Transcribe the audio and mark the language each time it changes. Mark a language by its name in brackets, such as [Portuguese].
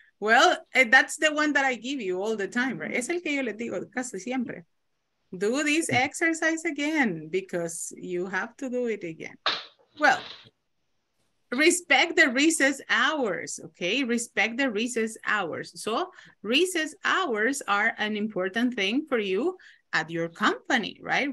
[English] Well, that's the one that I give you all the time, right? [Spanish] Es el que yo le digo casi siempre. [English] Do this exercise again because you have to do it again. Well, respect the recess hours, okay? Respect the recess hours. So recess hours are an important thing for you at your company, right?